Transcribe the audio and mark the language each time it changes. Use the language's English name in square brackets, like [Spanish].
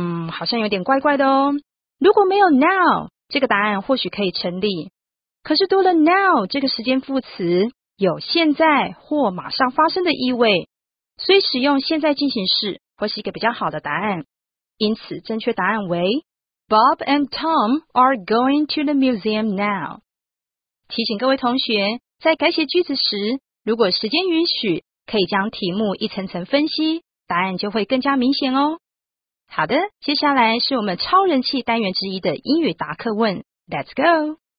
[Chinese] 好像有点怪怪的哦。如果没有 now， 这个答案或许可以成立。可是多了 now 这个时间副词，有现在或马上发生的意味，所以使用现在进行式会是一个比较好的答案。因此正确答案为 [English] Bob and Tom are going to the museum now。 [Chinese] 提醒各位同学，在改写句子时，如果时间允许，可以将题目一层层分析，答案就会更加明显哦。好的，接下来是我们超人气单元之一的英语答客问， [English] Let's go。